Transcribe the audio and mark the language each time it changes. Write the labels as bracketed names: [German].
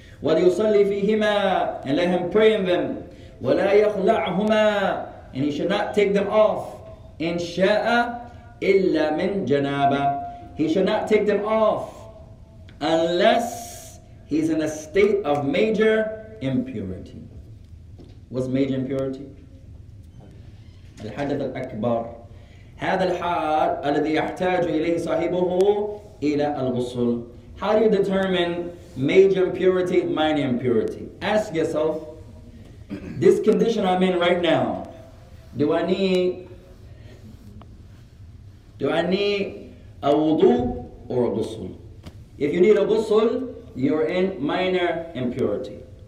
[Arabic] Wal yusalli fihima [English] and let him pray in them. [Arabic] Wala yakhla'huma [English] and he should not take them off. [Arabic] In sha'a illa min janaba. [English] He should not take them off unless he's in a state of major impurity. What's major impurity? Al-hadath al-akbar. [Arabic] هذا الحار الذي يحتاج إليه صاحبه إلى الغسل. [English] How do you determine major impurity, minor impurity? Ask yourself, this condition I'm in right now, do I need a wudu or a ghusl? If you need a ghusl, you're in minor impurity.